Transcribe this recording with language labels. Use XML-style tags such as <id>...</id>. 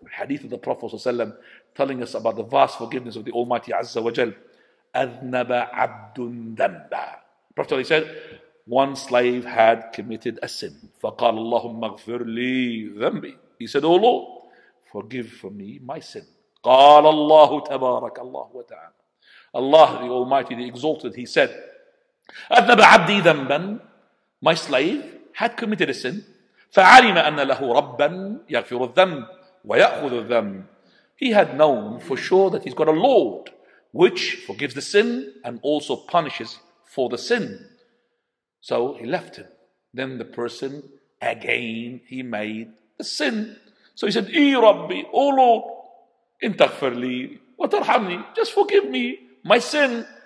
<en>Hadith of the Prophet ﷺ telling us about the vast forgiveness of the Almighty Azza wa Jal.</en> <ar>أَذْنَبَ عَبْدٌ ذَنْبًا</ar> <en>Prophet ﷺ said, one slave had committed a sin.</en> <ar>فَقَالَ اللَّهُمَّ اغْفِرْ لِي ذَنْبِي</ar> <en>He said, O Lord, forgive for me my sin.</en> <ar>قال الله تبارك الله وتعالى.</ar> <en>Allah the Almighty, the Exalted, He said,</en> <ar>أذنب عبدي ذنبا.</ar> <en>My slave had committed a sin.</en> <ar>فعلم أن له ربا يغفر الذنب ويأخذ الذنب.</ar> <en>He had known for sure that he's got a Lord which forgives the sin and also punishes for the sin. So he left him. Then the person again he made a sin. So he said, E Rabbi, O Lord,</en> <ar>intaghfir li, wa tarhamni,</ar> <en>just forgive me my sin.</en>